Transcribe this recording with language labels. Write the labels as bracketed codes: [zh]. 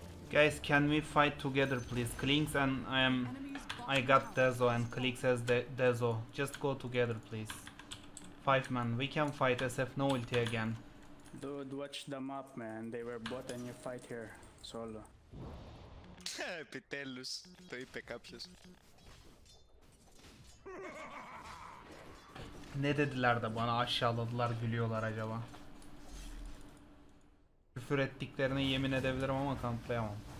[en] Guys, can we fight together, please? Klings and I got Dezo and Klings has Dezo. Just go together, please. Five man, we can fight SF no ulti again. Dude, watch the map, man. They were bot and you fight here solo. [el] Επιτέλους, το είπε κάποιος. [tr] Ne dediler de bana aşağıladılar, gülüyorlar acaba? Küfür ettiklerine yemin edebilirim ama kanıtlayamam.